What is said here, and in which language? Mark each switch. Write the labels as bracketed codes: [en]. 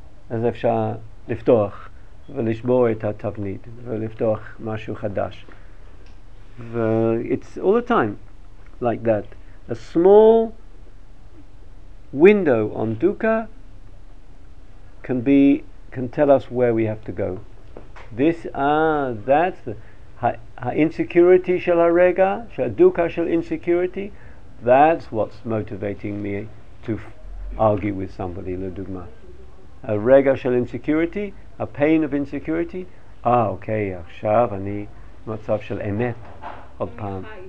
[he] אז אפשר לפתוח ולשבור את התבנית, ולפתוח משהו חדש. [en] It's all the time like that. A small window on dukkha can tell us where we have to go. That's the insecurity [he] של הרגע, של הדוקה של [en] insecurity, that's what's motivating me to argue with somebody, [he] לדוגמה. הרגע של insecurity, [en] a pain of insecurity, [he] אוקיי, עכשיו אני מצב של אמת, עוד פעם.